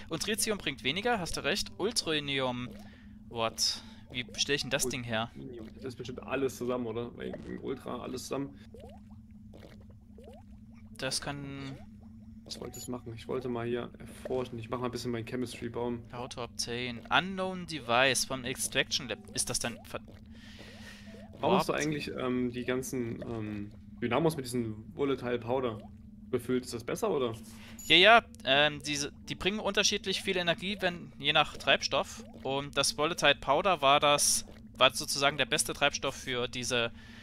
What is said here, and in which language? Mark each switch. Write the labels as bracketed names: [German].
[German] Und Tritium bringt weniger, hast du recht. Ultranium-Rotz. Wie stelle ich denn das Ding her? Das ist bestimmt alles zusammen, oder? Im Ultra, alles zusammen. Das kann... Was wollte ich machen? Ich wollte mal hier erforschen. Ich mache mal ein bisschen meinen Chemistry-Baum. [English] How to obtain unknown device from Extraction Lab. [German] Ist das dann... Brauchst du eigentlich die ganzen Dynamos mit diesem Volatile Powder befüllt? Ist das besser, oder? Ja, die bringen unterschiedlich viel Energie, wenn je nach Treibstoff. Und das Volatile Powder war sozusagen der beste Treibstoff für diese